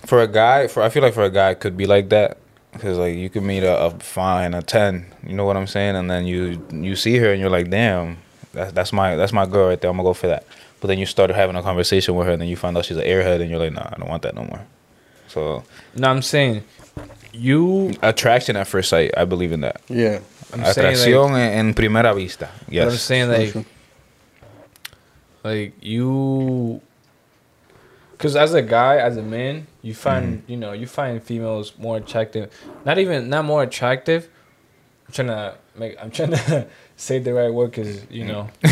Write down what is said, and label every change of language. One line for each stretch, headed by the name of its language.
English: I feel like for a guy, it could be like that. Because like you could meet a fine, a 10. You know what I'm saying? And then you see her and you're like, damn, that's my girl right there. I'm going to go for that. But then you started having a conversation with her. And then you find out she's an airhead. And you're like, nah, I don't want that no more. So. No, I'm saying... You attraction at first sight. I believe in that. Yeah,
Spanish: atracción en primera vista.
English: Yes, but I'm saying like you, because as a guy, as a man, you find you find females more attractive. Not more attractive. I'm trying to say the right word because you know.